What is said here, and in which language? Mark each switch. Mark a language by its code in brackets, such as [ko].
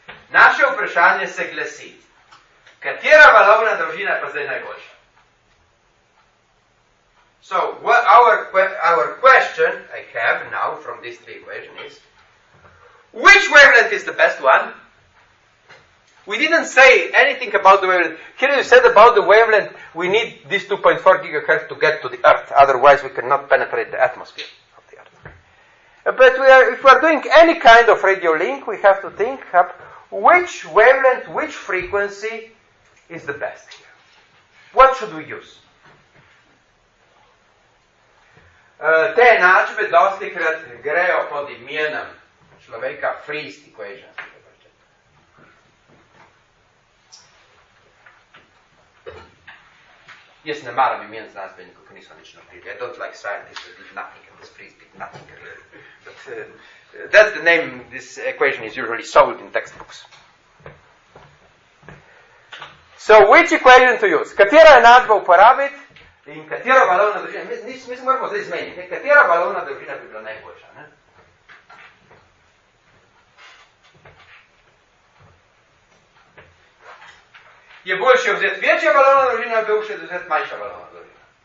[sl] Naše vprašanje se glasi, katera valovna dolžina pa zdaj najboljša? [en] So, what our question I have now from these three equations is, which wavelength is the best one? We didn't say anything about the wavelength. Here you said about the wavelength, we need this 2.4 gigahertz to get to the Earth, otherwise we cannot penetrate the atmosphere. But if we are doing any kind of radio link, we have to think up which wavelength, which frequency is the best here. What should we use? [sl] Te enačbe dosti krat grejo pod imenom človeka Friest equation. Jaz ne maram imen znanstvenikov, ki niso nič naprili. [en] I don't like scientists, they did nothing, and this Friest did nothing. But that's the name, this equation is usually sold in textbooks. So, which equation to use? [sl] Katera enačba uporabiti in katera valovna dolžina? Mi se moramo zdaj zmeniti. Katera valovna dolžina bi bila najboljša? Ne? Je boljše vzeti večja valovna dolžina, ali je boljše vzeti manjša valovna dolžina?